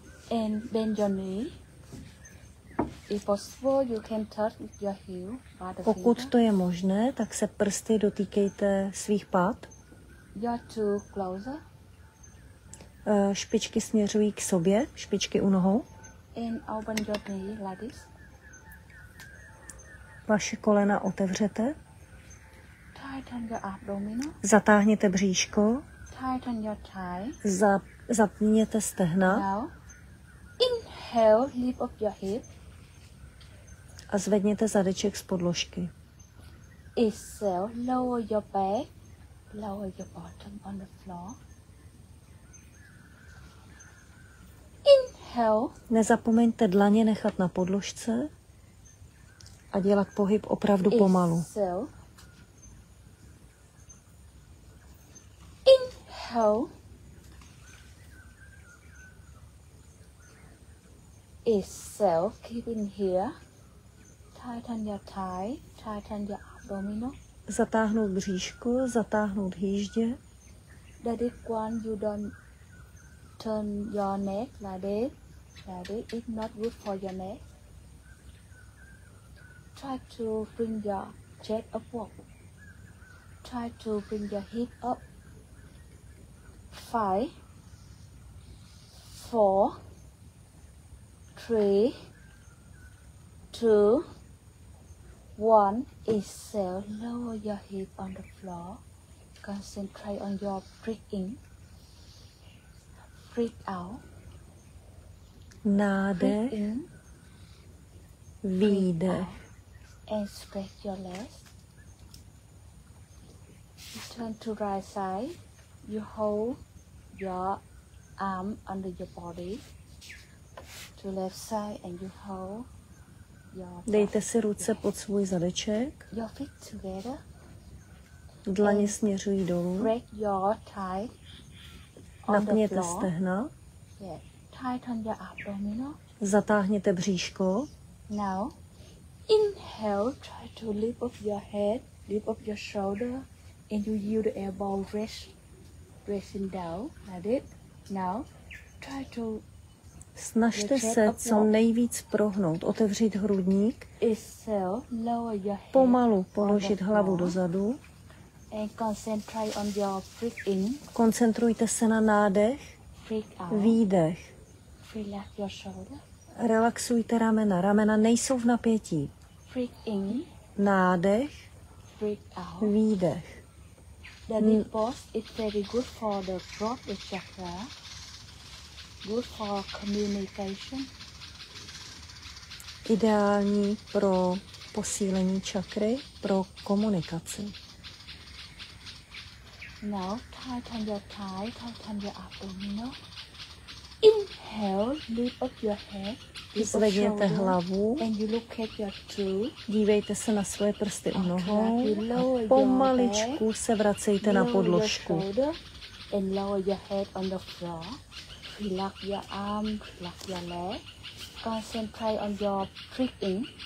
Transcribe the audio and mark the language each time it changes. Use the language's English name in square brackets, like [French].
[English] And bend your knee. If possible, you can touch your heel by the [Czech] Pokud [English] finger. [Czech] To je možné, tak se prsty dotýkejte svých pat. [English] You're too closer. [Czech] Špičky směřují k sobě, špičky u nohou. [English] And open your knee like this. [Czech] Vaše kolena otevřete. [English] Tighten your abdominal. [Czech] Zatáhněte bříško. [English] Tighten your thigh. [Czech] Zapněte stehna. [English] Now. Inhale, lift up your hip. [Czech] A zvedněte zadeček z podložky. [English] Exhale, lower your back. Lower your bottom on the floor. Inhale. [Czech] Nezapomeňte dlaně nechat na podložce a dělat pohyb opravdu pomalu. [English] Exhale. Inhale. Exhale. Keep in here. Tighten your thigh. Tighten your abdominal. [Czech] Zatáhnout bříško, zatáhnout hýždě. [English] That is one you don't turn your neck like this. It's not good for your neck. Try to bring your chest upward. try to bring your hip up. 5, 4, 3, 2, 1. Exhale, lower your hip on the floor. Concentrate on your breathing. Breathe out. [Czech] Nade. [English] Breathe in. [Czech] Vide. [English] And stretch your legs. You turn to right side. You hold your arm under your body. To left side and you hold your body. [Czech] Dejte si ruce pod svůj zadeček. [English] Your feet together. [Czech] Dlaně směřují dolů. [English] Break your thigh. [Czech] Napněte stehna. [English] Yeah. Tighten your abdominal. [Czech] Zatáhněte bříško. [English] Now, inhale, try to lift up your head, lift up your shoulder, and you use the elbow rest, resting down, like it. Now, try to... [Czech] Snažte se co nejvíc prohnout, otevřít hrudník, [English] exhale, lower your head, [Czech] pomalu položit hlavu dozadu, [English] and concentrate on your breathing. [Czech] Koncentrujte se na nádech, výdech. [English] Relax your shoulder. [Czech] Relaxujte ramena. Ramena nejsou v napětí. [English] Breathe in. [Czech] Nádech. [English] Breathe out. [Czech] Výdech. [English] The deep pause is very good for the throat chakra. Good for communication. [Czech] Ideální pro posílení čakry, pro komunikaci. [English] Now tighten your thigh, tighten your abdominal. Inhale, lift up your head. [Czech] Zvedněte hlavu, [English] and you look at your two. [Czech] Dívejte se na svoje prsty u nohou a pomaličku se vracejte na podložku. [English] And lower your head on the floor. Relax your arm, relax your leg. Concentrate on your breathing.